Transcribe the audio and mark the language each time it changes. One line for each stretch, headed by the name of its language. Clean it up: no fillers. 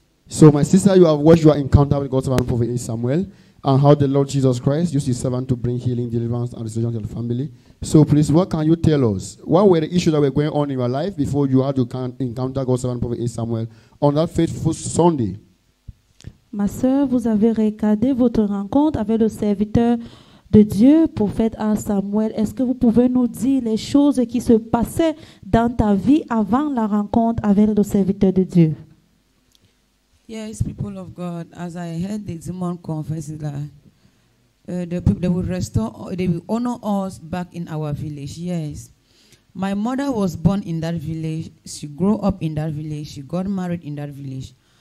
English: So, my sister, you have watched your encounter with God's servant prophet Samuel and how the Lord Jesus Christ used his servant to bring healing, deliverance, and restoration to the family. So, please, what can you tell us? What were the issues that were going on in your life before you had to encounter God's servant prophet Samuel on that faithful Sunday?
French: Ma soeur, vous avez regardé votre rencontre avec le serviteur de Dieu, prophète Samuel. Est-ce que vous pouvez nous dire les choses qui se passaient dans ta vie avant la rencontre avec le serviteur de Dieu?
English: Yes, people of God, as I heard the demon confess that the people they will restore, they will honor us back in our village. Yes. My mother was born in that village. She grew up in that village. She got married in that village.